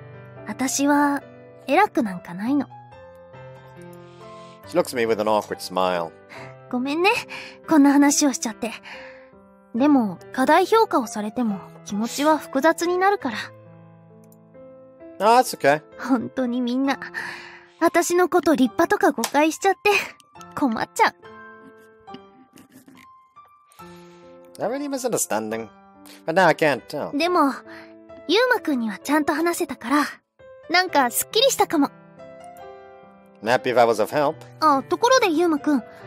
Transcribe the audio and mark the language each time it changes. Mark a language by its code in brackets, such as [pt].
[ja] そんなに大げさなものじゃないよ。知っちゃったから気になっただけ。だからさ、私は偉くなんかないの。 [en] She looks at me with an awkward smile. [ja] ごめんね、こんな話をしちゃって。でも課題評価をされても気持ちは複雑になるから。あ、 [en] it's okay。 [ja] 本当にみんな私のこと立派とか誤解しちゃって困っちゃう。でもユウマくんにはちゃんと話せたから、なんかすっきりしたかも。ところでユウマくん、